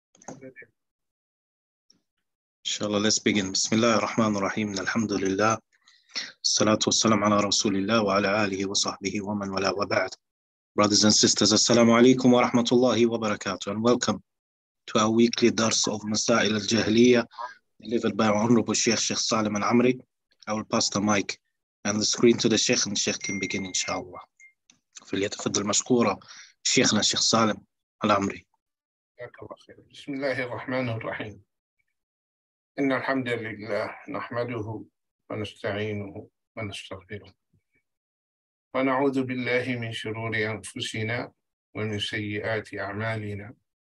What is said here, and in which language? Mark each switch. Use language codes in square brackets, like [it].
[ar] إن شاء الله [en] let's begin. [ar] بسم الله الرحمن الرحيم. الحمد لله. الصلاة والسلام على رسول الله وعلى آله وصحبه ومن ولا وبعد. [en] Brothers and sisters, [ar] السلام عليكم ورحمة الله وبركاته [en] and welcome to our weekly Dars of Masail al-Jahliya delivered by Honorable Sheikh Sheikh Salim al-Amri. I will pass the mic and the screen to the Sheikh and the Sheikh can begin inshallah. [ar] في اليتفضل المشكورة شيخنا الشيخ سالم العمري. بسم الله الرحمن الرحيم. إن الحمد لله نحمده ونستعينه ونستغفره ونعوذ بالله من شرور أنفسنا ومن سيئات أعمالنا.